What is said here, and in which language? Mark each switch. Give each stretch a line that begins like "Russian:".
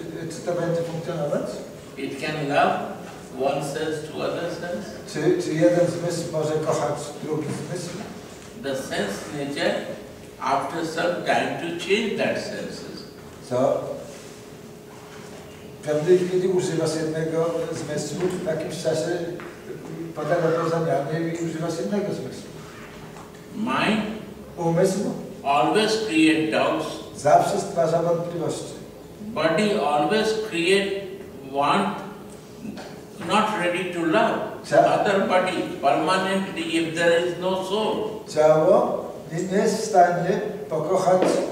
Polish: Czy to będzie funkcjonować?
English: It can love one sense to other sense.
Polish: Czy jeden zmysł może kochać drugi zmysł?
English: The sense nature after some time to change that senses.
Polish: So, kiedy używasz jednego zmysłu, w jakimś czasie podlega to zamianie i używasz innego zmysłu.
English: Mind,
Polish: umysł,
English: always create doubts.
Polish: Zawsze stwarza wątpliwości.
English: Body always create want, not ready to love. Other body, permanently, if there is no soul.
Polish: Ciało nie jest w stanie pokochać.